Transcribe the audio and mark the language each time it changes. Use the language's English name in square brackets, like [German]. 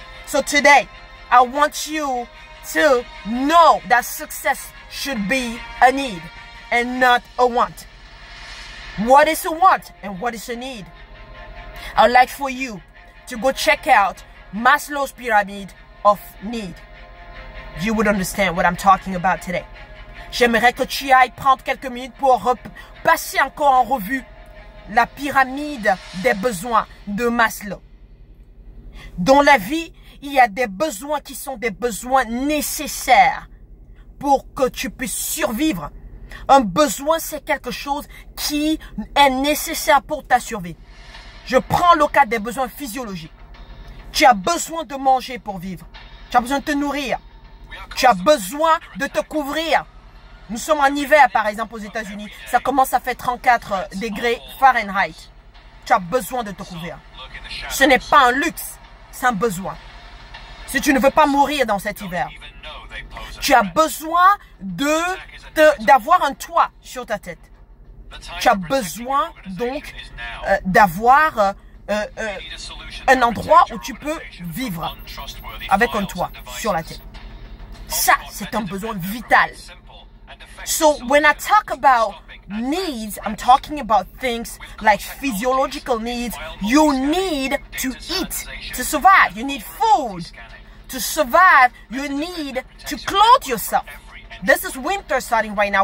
[English] So today, I want you to know that success should be a need and not a want. What is a want and what is a need? I'd like for you to go check out Maslow's Pyramid of Need. You would understand what I'm talking about today. [French] J'aimerais que tu ailles prendre quelques minutes pour repasser encore en revue la pyramide des besoins de Maslow. Dans la vie, il y a des besoins qui sont des besoins nécessaires pour que tu puisses survivre. Un besoin, c'est quelque chose qui est nécessaire pour ta survie. Je prends le cas des besoins physiologiques. Tu as besoin de manger pour vivre. Tu as besoin de te nourrir. Tu as besoin de te couvrir. Nous sommes en hiver, par exemple, aux États-Unis. Ça commence à faire 34 degrés Fahrenheit. Tu as besoin de te couvrir. Ce n'est pas un luxe. C'est un besoin. Si tu ne veux pas mourir dans cet hiver, tu as besoin d'avoir un toit sur ta tête. Tu as besoin donc d'avoir un endroit où tu peux vivre avec un toit sur la tête. Ça, c'est un besoin vital. [English] So when I talk about needs, I'm talking about things like physiological needs. You need to eat to survive. You need food to survive. You need to clothe yourself. This is winter starting right now.